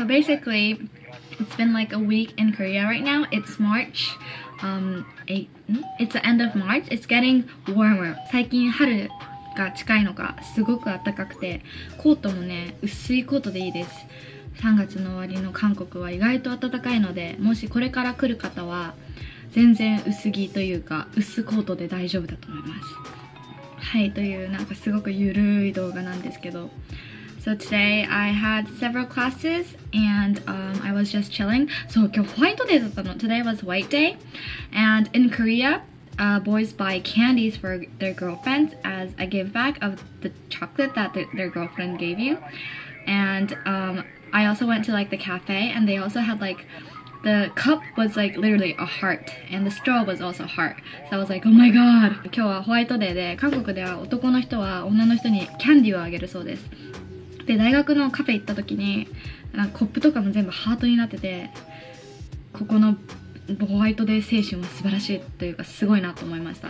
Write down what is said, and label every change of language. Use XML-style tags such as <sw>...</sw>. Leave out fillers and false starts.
<en>So basically, it's been like a week in Korea right now. It's March, it's the end of March. It's getting warmer.</en> <ja>最近春が近いのか、すごく暖かくて、コートもね、薄いコートでいいです。 3月の終わりの韓国は意外と暖かいので、もしこれから来る方は、全然薄着というか、薄コートで大丈夫だと思います。はい、というなんかすごくゆるい動画なんですけど、</ja> <en>So today I had several classes and I was just chilling. So,</en> <ja>今日ホワイトデーだったの。</ja> <en>Today was white day. And in Korea, boys buy candies for their girlfriends as a give back of the chocolate that their girlfriend gave you. And I also went to like the cafe and they also had like the cup was like literally a heart and the straw was also a heart. So I was like, oh my god.</en> <ja>今日はホワイトデーで、韓国では男の人は女の人にキャンディーをあげるそうです。で、大学のカフェ行った時に、なんかコップとかも全部ハートになってて、ここのホワイトデー精神も素晴らしいというかすごいなと思いました。</ja>